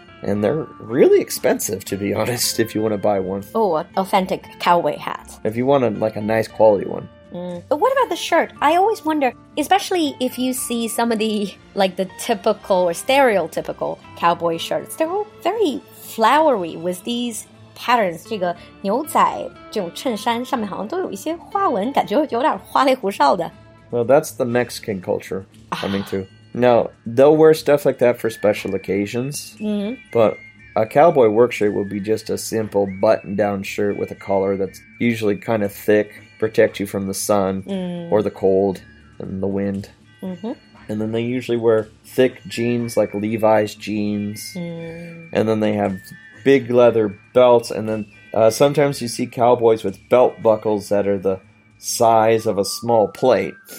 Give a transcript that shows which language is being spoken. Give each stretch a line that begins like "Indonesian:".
English: And they're really expensive, to be honest, if you want to buy one. Oh, an authentic cowboy hat. If you want like a nice quality one. But what about the shirt? I always wonder, especially if you see some of the, like, the typical or stereotypical cowboy shirts, they're all very flowery with these patterns.
Chinese: 这个牛仔这种衬衫上面好像都有一些花纹，感觉有点花里胡哨的。
English: Well, that's the Mexican culture coming through. Now, they'll wear stuff like that for special occasions, but a cowboy work shirt would be just a simple button-down shirt with a collar that's usually kind of thick, protect you from the sun or the cold and the wind. And then they usually wear thick jeans, like Levi's jeans, and then they have big leather belts, and then sometimes you see cowboys with belt buckles that are the size of a small plate.